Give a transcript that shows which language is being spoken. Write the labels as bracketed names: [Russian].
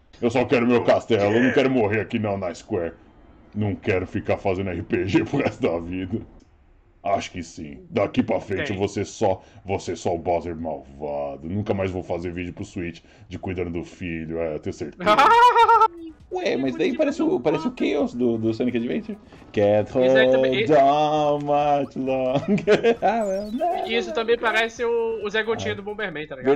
[Portuguese] Eu só quero meu castelo, eu não quero morrer aqui não, na Square. Não quero ficar fazendo RPG pro resto da vida. Acho que sim. Daqui pra frente você só o Bowser malvado. Nunca mais vou fazer vídeo pro Switch de cuidando do filho, é, tenho certeza. Ué, mas daí parece o Chaos do Sonic Adventure. [English] Can't hold on much longer. [Portuguese] Isso também parece o Zé Gotinha do Bomberman, tá ligado?